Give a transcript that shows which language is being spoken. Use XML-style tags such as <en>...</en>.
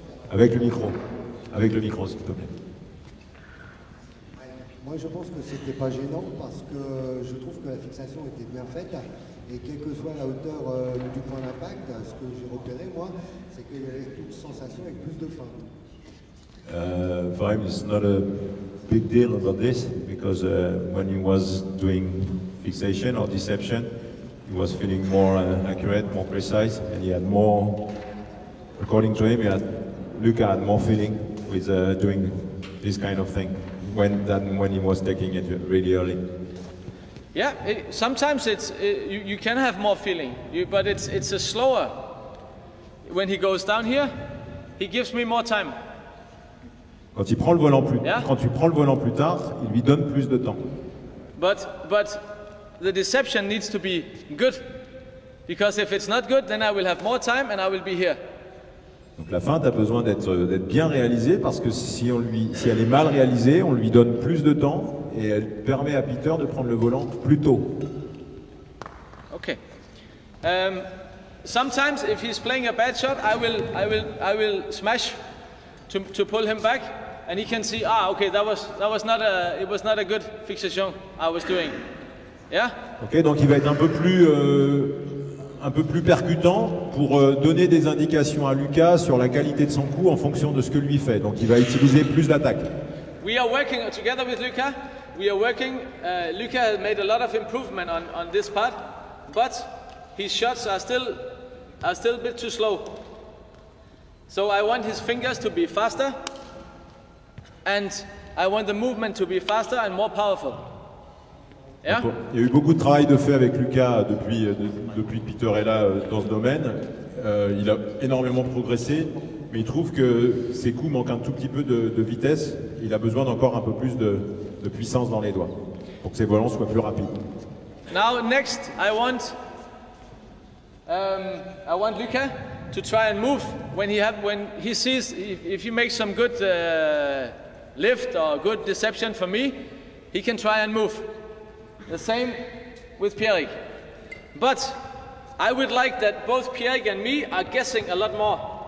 <fr>Avec le micro. Avec le micro, s'il te plaît. Moi, je pense que c'était pas gênant parce que je trouve que la fixation était bien faite. Et quelle que soit la hauteur du point d'impact, ce que j'ai repéré, moi, c'est qu'il y avait toute sensation avec plus de fin.</fr> <en>For him, it's not a big deal about this because when he was doing fixation or deception, he was feeling more accurate, more precise, and he had more, according to him, Luca had more feeling with doing this kind of thing than when he was taking it really early. Yeah, sometimes you can have more feeling, but it's a slower. When he goes down here, he gives me more time.</en> <fr>Quand il prend le volant plus tard, il lui donne plus de temps.</fr> <en>But the deception needs to be good, because if it's not good, then I will have more time and I will be here.</en> <fr>Donc la feinte a besoin d'être bien réalisée, parce que si elle est mal réalisée, on lui donne plus de temps et elle permet à Peter de prendre le volant plus tôt. Ok.</fr> <en>Sometimes if he's playing a bad shot, I will smash to pull him back, and he can see okay, that was not a good fixation I was doing. Yeah.</en> <fr>Ok, donc il va être un peu plus percutant pour donner des indications à Lucas sur la qualité de son coup en fonction de ce que lui fait. Donc il va utiliser plus d'attaques.</fr> <en>We are working together with Lucas. We are working. Lucas has made a lot of improvement on this part, but his shots are still a bit too slow. So I want his fingers to be faster, and I want the movement to be faster and more powerful.</en> <fr>Donc, il y a eu beaucoup de travail de fait avec Lucas depuis que Peter est là dans ce domaine. Il a énormément progressé, mais il trouve que ses coups manquent un tout petit peu de vitesse. Il a besoin d'encore un peu plus de puissance dans les doigts pour que ses volants soient plus rapides.</fr> <en>Now next, I want Lucas to try and move when he sees if he makes some good lift or good deception for me, he can try and move. The same with Pierrick. But I would like that both Pierrick and me are guessing a lot more.</en>